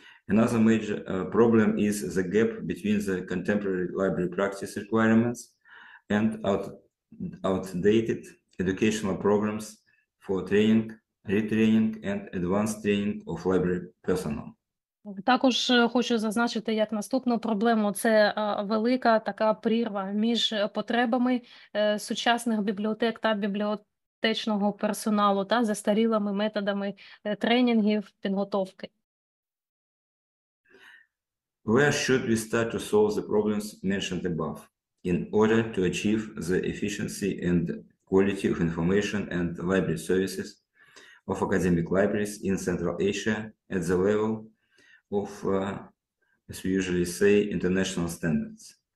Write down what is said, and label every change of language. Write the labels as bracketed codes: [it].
[en] Another major problem is the gap between the contemporary library practice requirements and outdated educational programs for training, retraining and advanced training of library personnel. [uk] Також хочу зазначити, як наступну проблему, це велика така прірва між потребами сучасних бібліотек та бібліотек бібліотечного персоналу та застарілими методами тренінгів, підготовки. [en] Where should we start to solve the problems mentioned above in order to achieve the efficiency and quality of information and library services of academic libraries in Central Asia at the level of, as we usually say, international standards?